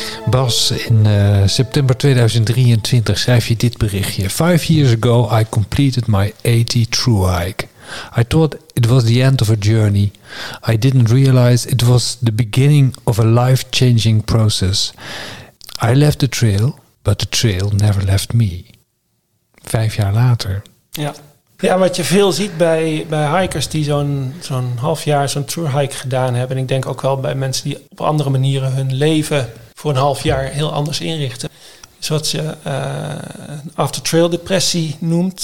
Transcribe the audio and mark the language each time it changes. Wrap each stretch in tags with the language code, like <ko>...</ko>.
<nl>Bas, in september 2023 schrijf je dit berichtje.</nl> <en>5 years ago I completed my 80 true hike. I thought it was the end of a journey. I didn't realize it was the beginning of a life-changing process. I left the trail, but the trail never left me.</en> <nl>5 jaar later. Ja, ja, wat je veel ziet bij hikers die zo'n half jaar zo'n true hike gedaan hebben. En ik denk ook wel bij mensen die op andere manieren hun leven voor een half jaar heel anders inrichten. Is wat je after-trail depressie noemt.</nl>